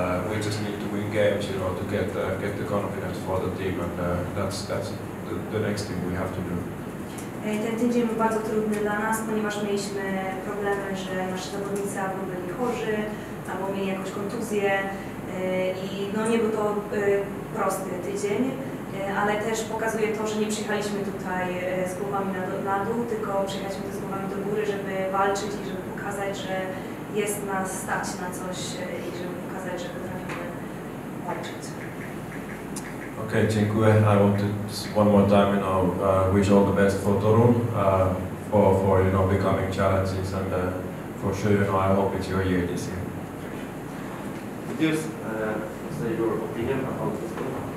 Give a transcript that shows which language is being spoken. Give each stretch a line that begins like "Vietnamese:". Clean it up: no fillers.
English: We just need to win games, you know, to get the confidence for the team, and that's the next thing we have to do.
Polish: Ten tydzień był bardzo trudny dla nas, ponieważ mieliśmy problemy, że nasi zawodnicy albo byli chorzy, albo mieli jakąś kontuzję i no nie był to prosty tydzień, ale też pokazuje to, że nie przyjechaliśmy tutaj z głowami na dół, tylko przyjechaliśmy z głowami do góry, żeby walczyć i żeby pokazać, że jest nas stać na coś i żeby pokazać, że potrafimy walczyć. Okay, dziękuję.
English: I want to one more time, you know, wish all the best for Torun, for you know, becoming challenges, and for sure, you know, I hope it's your year this year. Could you say your opinion about this game?